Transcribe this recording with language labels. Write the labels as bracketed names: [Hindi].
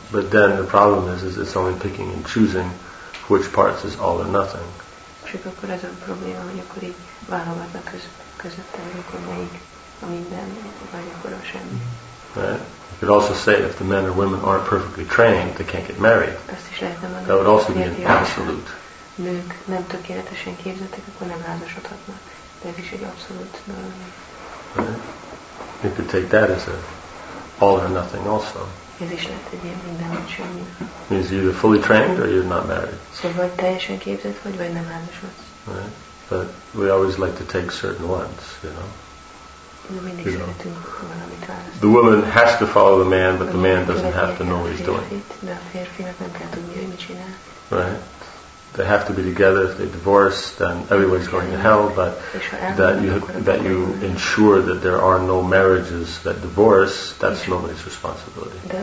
[English] But then the problem is it's only picking and choosing which parts is all or nothing. [Hungarian] Csak akkor ez a probléma, hogy akkor így válogatnak között, hogy akkor melyik a minden, vagy akkor a semmi. [English] Right? You could also say if the men or women aren't perfectly trained, they can't get married. [Hungarian] Azt is lehetne mondani. [English] That would also be an absolute. [Hungarian] Nők nem tökéletesen képzettek, akkor nem házasodhatnak. De ez is egy abszolút dolog. [English] Right? You could take that as a all or nothing also. [Hungarian] Ez is lehet egy ilyen minden, hogy semmi. [English] Means either fully trained or you're not married. [Hungarian] So vagy teljesen képzett vagy, vagy nem házasodsz. [English] Right? But we always like to take certain ones, you know. The woman has to follow the man, but the man doesn't have to know what he's doing. Right? They have to be together. If they divorce, then everybody's going to hell. But that you ensure that there are no marriages that divorce, that's nobody's responsibility.